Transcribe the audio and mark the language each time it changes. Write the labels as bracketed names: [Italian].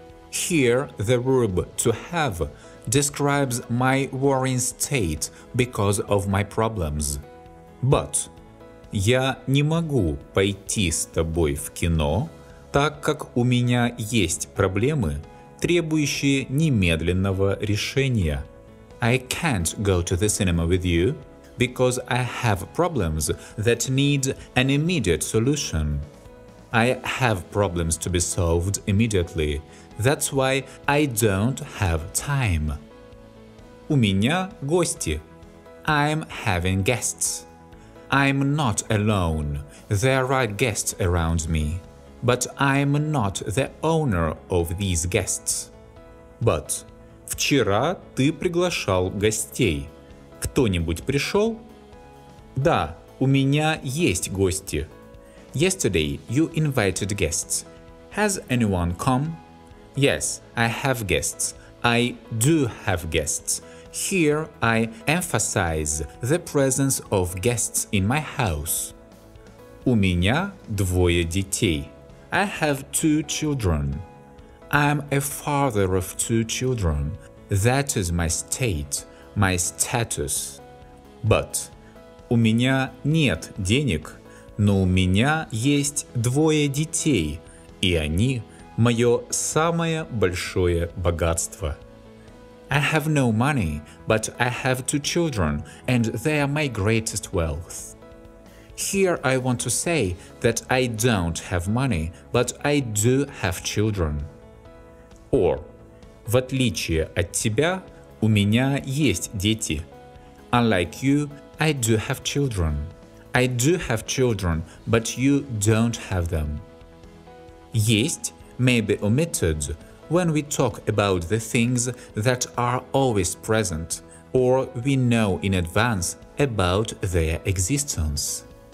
[English] Here the verb to have describes my worrying state because of my problems. But [Russian] я не могу пойти с тобой в кино, так как у меня есть проблемы, требующие немедленного решения. [English] I can't go to the cinema with you because I have problems that need an immediate solution. I have problems to be solved immediately. That's why I don't have time. [Russian] У меня гости. [English] I'm having guests. I'm not alone. There are guests around me. But I'm not the owner of these guests. But [Russian] вчера ты приглашал гостей. Кто-нибудь пришел? Да, у меня есть гости. [English] Yesterday you invited guests. Has anyone come? Yes, I have guests. I do have guests. Here I emphasize the presence of guests in my house. [Russian] У меня двое детей. [English] I have two children. I am a father of two children. That is my state, my status. But [Russian] у меня нет денег, но у меня есть двое детей, и они мое самое большое богатство. [English] I have no money, but I have two children, and they are my greatest wealth. Here I want to say that I don't have money, but I do have children. Or, [Russian] в отличие от тебя, у меня есть дети. [English] Unlike you, I do have children. I do have children, but you don't have them. Есть may be omitted when we talk about the things that are always present or we know in advance about their existence.